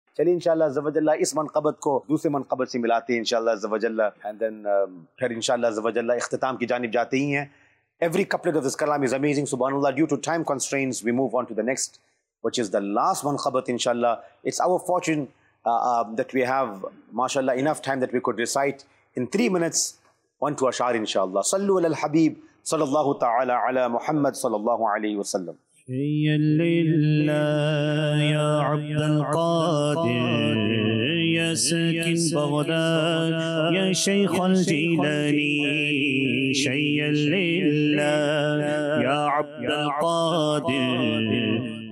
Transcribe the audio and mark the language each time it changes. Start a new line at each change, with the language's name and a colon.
Urdu: چلیے ان شاء اللہ زوجلہ اس منقبت کو دوسرے منقبت سے ملاتے ہیں ان شاء اللہ زوجلہ،
English: and then
Urdu: پھر ان شاء اللہ زوجلہ اختتام کی جانب جاتے ہی ہیں.
English: Every couplet of this کلام is amazing سبحان اللہ. Due to time constraints we move on to the next which is the last منقبت ان شاء اللہ. It's our fortune that we have ماشاء اللہ enough time that we could recite in three minutes one two اشعار ان شاء اللہ.
Arabic: صلوا علی الحبیب صلی اللہ تعالی علی محمد صلی اللہ علیہ وسلم. حيا لله يا عبد القادر يا ساكن بغداد يا شيخ الجيلان. حيا لله يا عبد القادر